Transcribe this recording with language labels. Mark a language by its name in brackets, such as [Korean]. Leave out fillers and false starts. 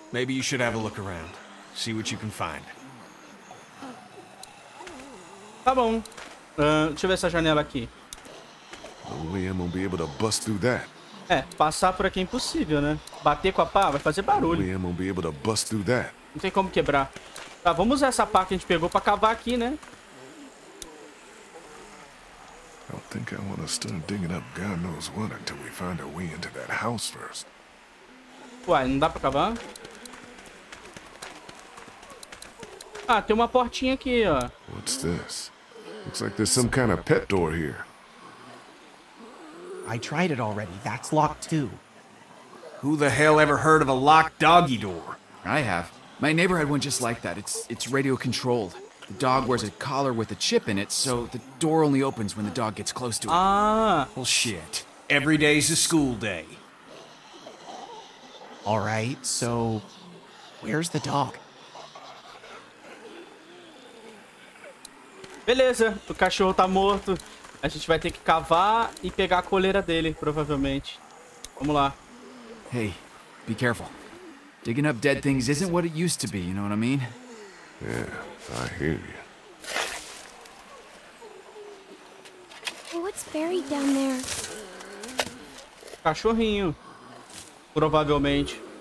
[English] Maybe you should have a look around. See what you can find. [Portuguese] Tá bom. Deixa eu ver essa janela aqui. [English] No way I'm gonna be able to bust through that. [Portuguese] É, passar por aqui é impossível, né? Bater com a pá vai fazer barulho. [English] No way I'm gonna be able to bust through that. [Portuguese] Não tem como quebrar. Tá, vamos usar essa pá que a gente pegou pra cavar aqui, né? [English] I don't think I want to start digging up God knows what until we find a way into that house first. [Portuguese] Uai, não dá pra cavar? Ah, tem uma portinha aqui, ó. [English] What's this? Looks like there's some kind of pet door here. I tried it already. That's locked too. Who the hell ever heard of a locked doggy door? I have. My neighbor had one just like that. It's radio controlled. The dog wears a collar with a chip in it, so the door only opens when the dog gets close to it. Ah! Well, shit. Every day's a school day. All right, so... Where's the dog? [Portuguese] Beleza, o cachorro tá morto. A gente vai ter que cavar e pegar a coleira dele, provavelmente. Vamos lá. [English] Hey, be careful. Digging up dead things isn't what it used to be, you know what I mean? Yeah, I hear you. What's buried down there? [Portuguese] Cachorrinho. Provavelmente.